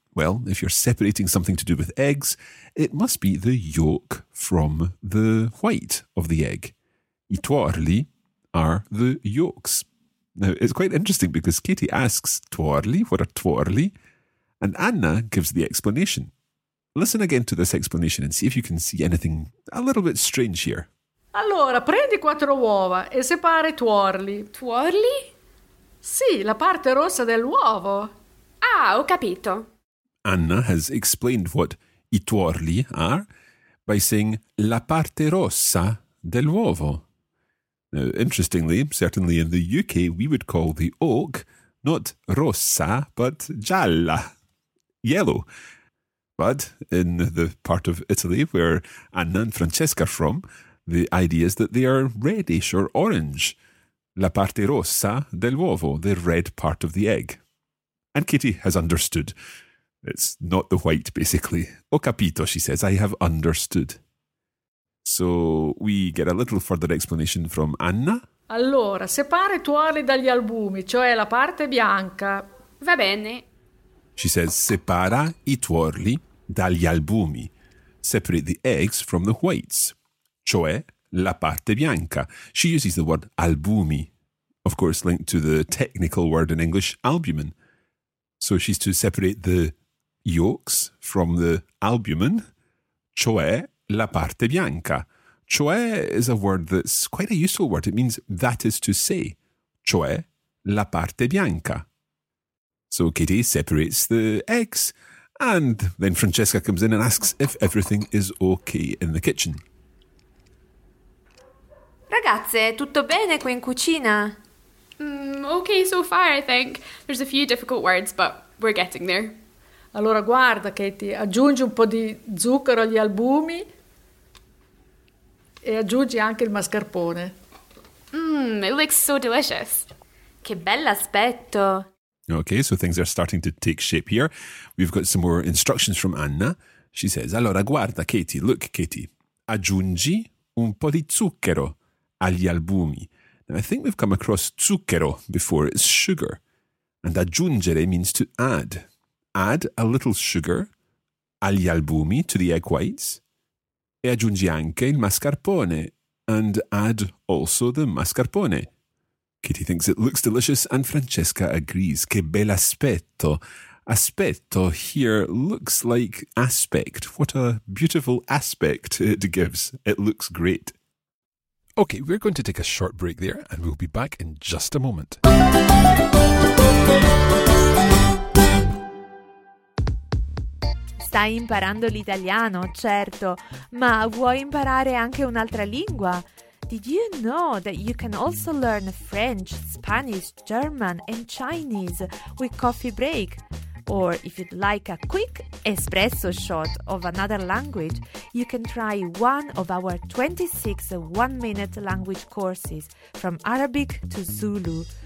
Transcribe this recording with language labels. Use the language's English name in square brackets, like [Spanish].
[English] Well, if you're separating something to do with eggs, it must be the yolk from the white of the egg. [Italian] I tuorli [English] are the yolks. Now, it's quite interesting because Katie asks, tuorli, what are tuorli? And Anna gives the explanation. Listen again to this explanation and see if you can see anything a little bit strange here. [Italian] Allora, prendi quattro uova e separa i tuorli. Tuorli? Sì, la parte rossa dell'uovo. Ah, ho capito. [English] Anna has explained what i tuorli are by saying [Italian] la parte rossa dell'uovo. [English] Now, interestingly, certainly in the UK, we would call the yolk not rossa, but gialla, yellow. But in the part of Italy where Anna and Francesca are from, the idea is that they are reddish or orange. [Italian] La parte rossa dell'uovo, [English] the red part of the egg. And Katie has understood. It's not the white, basically. [Italian] Ho capito, [English] she says. I have understood. So we get a little further explanation from Anna. [Italian] Allora, separa i tuorli dagli albumi, cioè la parte bianca. Va bene. [English] She says, [Italian] separa i tuorli dagli albumi. [English] Separate the eggs from the whites, [Italian] cioè la parte bianca. [English] She uses the word albumi, of course linked to the technical word in English, albumen. So she's to separate the yolks from the albumen, [Italian] cioè la parte bianca. [English] Cioè is a word that's quite a useful word. It means that is to say, [Italian] cioè la parte bianca. [English] So Katie separates the eggs, and then Francesca comes in and asks if everything is okay in the kitchen. [Italian] Ragazze, tutto bene qui in cucina? [English] Okay so far, I think. There's a few difficult words, but we're getting there. [Italian] Allora, guarda, Katie, aggiungi un po' di zucchero agli albumi e aggiungi anche il mascarpone. [English] It looks so delicious. [Italian] Che bell'aspetto. [English] Okay, so things are starting to take shape here. We've got some more instructions from Anna. She says, [Italian] allora, guarda, Katie, look, Katie, aggiungi un po' di zucchero agli albumi. [English] Now, I think we've come across zucchero before. It's sugar. And aggiungere means to add. Add a little sugar [Italian] agli albumi, [English] to the egg whites. [Italian] E aggiungi anche il mascarpone. [English] And add also the mascarpone. Katie thinks it looks delicious and Francesca agrees. [Italian] Che bell'aspetto. [English] Aspetto here looks like aspect. What a beautiful aspect it gives. It looks great. Okay, we're going to take a short break there and we'll be back in just a moment. [Italian] Stai imparando l'italiano, certo, ma vuoi imparare anche un'altra lingua? [English] Did you know that you can also learn French, Spanish, German and Chinese with Coffee Break? Or if you'd like a quick espresso shot of another language, you can try one of our 26 one-minute language courses from Arabic to Zulu.